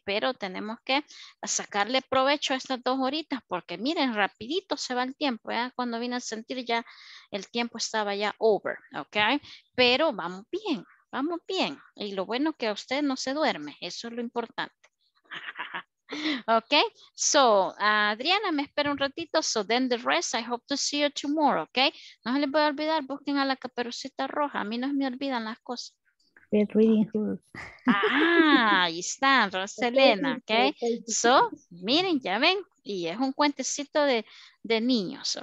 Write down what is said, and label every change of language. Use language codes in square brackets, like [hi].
[es] Pero tenemos que sacarle provecho a estas dos horitas porque miren, rapidito se va el tiempo, ¿eh? Cuando vine a sentir ya el tiempo estaba ya over, ok. Pero vamos bien. Y lo bueno que usted no se duerme, eso es lo importante. Okay, so Adriana, me espera un ratito. [en] So then the rest, I hope to see you tomorrow. [es] Okay, no se les voy a olvidar, busquen a la caperucita roja. A mí no me olvidan las cosas. [en] Bed reading group. [es] Ah, ahí están, Roselena. Okay, so miren, ya ven, y es un cuentecito de niños.